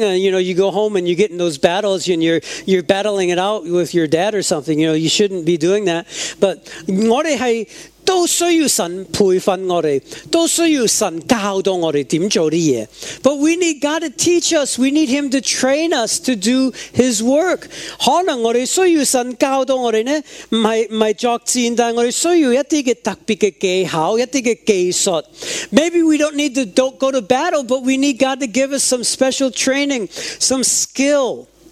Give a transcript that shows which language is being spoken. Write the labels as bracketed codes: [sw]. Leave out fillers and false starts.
[en] You know, you go home and you get in those battles and you're battling it out with your dad or something. You know, you shouldn't be doing that. But [zh] 我们都需要神培训我们，都需要神教导我们怎样做的事。 [en] But we need God to teach us. We need Him to train us to do His work. [zh] 可能我们需要神教导我们，不是作战，但我们需要一些特别的技巧，一些技术。 [en] Maybe we don't need to go to battle, but we need God to give us some special training, some skill.